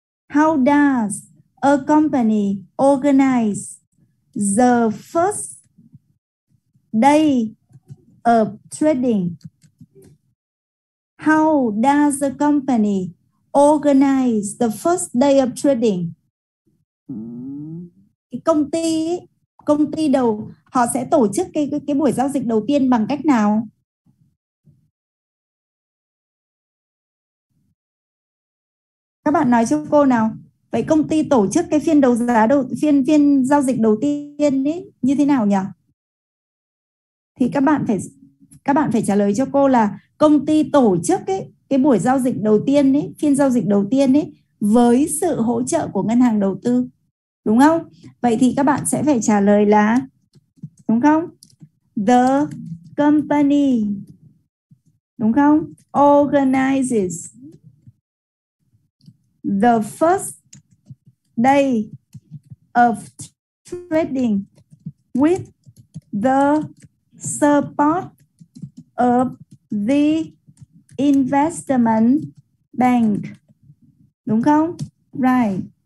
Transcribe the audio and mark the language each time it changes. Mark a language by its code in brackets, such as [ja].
[en] How does a company organize the first day of trading? How does a company organize the first day of trading? [vi] Công ty đầu họ sẽ tổ chức cái buổi giao dịch đầu tiên bằng cách nào? Các bạn nói cho cô nào. Vậy công ty tổ chức cái phiên đấu giá đầu phiên giao dịch đầu tiên ấy như thế nào nhỉ? Thì các bạn phải trả lời cho cô là công ty tổ chức cái buổi giao dịch đầu tiên ấy, phiên giao dịch đầu tiên ấy với sự hỗ trợ của ngân hàng đầu tư. Đúng không? Vậy thì các bạn sẽ phải trả lời là, đúng không? [en] The company, [vi] đúng không? [en] Organizes the first day of trading with the support of the investment bank. [vi] Đúng không? [en] Right.